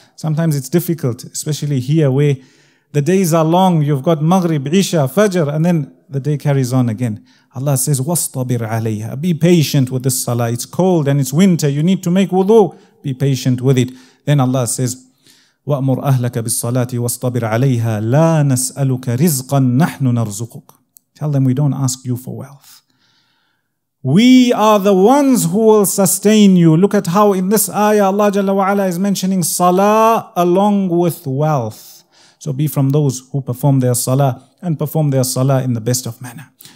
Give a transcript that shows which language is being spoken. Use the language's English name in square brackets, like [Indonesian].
[English] Sometimes it's difficult, especially here where the days are long. You've got Maghrib, Isha, Fajr, and then the day carries on again. Allah says, wastabir alayha, be patient with the salah. It's cold and it's winter. You need to make wudu. Be patient with it. Then Allah says, [Arabic] وأمر أهلك بالصلاة واصطبر عليها لا نسألك رزقا نحن نرزقك. [English] Tell them we don't ask you for wealth. We are the ones who will sustain you. Look at how in this ayah Allah Jalla wa'ala is mentioning salah along with wealth. So be from those who perform their salah and perform their salah in the best of manner.